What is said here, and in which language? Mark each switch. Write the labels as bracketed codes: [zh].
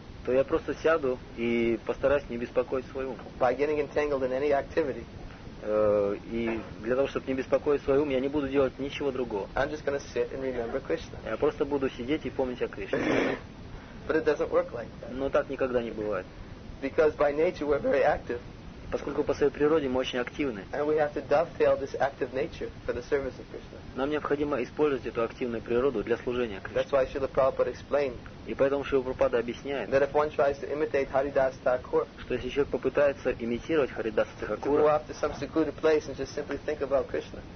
[ru] То я просто сяду и постараюсь не беспокоить свой ум. [en] By getting entangled in any activity. [ru] И для того, чтобы не беспокоить свой ум, я не буду делать ничего другого. [en] I'm just gonna sit and remember Krishna. [ru] Я просто буду сидеть и помнить о Кришне. [en] But it doesn't work like that. [ru] Но так никогда не бывает. [en] Because by nature we're very active. [ru] Поскольку по своей природе мы очень активны. [en] And we have to dovetail this active nature for the service of Krishna. [ru] Нам необходимо использовать эту активную природу для служения Кришне. [en] That's why Śrīla Prabhupāda explained. [ru] И поэтому Шрила Прабхупада объясняет, [en] that if one tries to imitate Haridasa Thakur, [ru] что если человек попытается имитировать Харидаса Тхакура, [en] to go off to some secluded place and just simply think about Krishna,